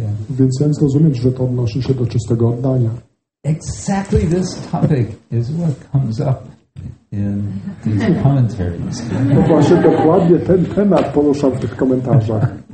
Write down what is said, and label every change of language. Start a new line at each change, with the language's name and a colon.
Polish: Więc jak zrozumieć, że to odnosi się do czystego oddania?
English: Exactly this topic is what comes up in these commentaries.
Polish: No właśnie, dokładnie ten temat poruszam w tych komentarzach.